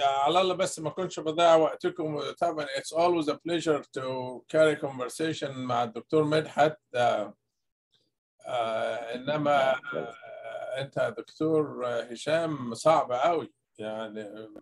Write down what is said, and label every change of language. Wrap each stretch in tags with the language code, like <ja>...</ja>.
<ar>على الله بس ما كنتش بضيع وقتكم.</ar> <en>طبعا it's always a pleasure to carry conversation</en> <ar>مع الدكتور مدحت. انما انت دكتور هشام صعب قوي يعني.</ar>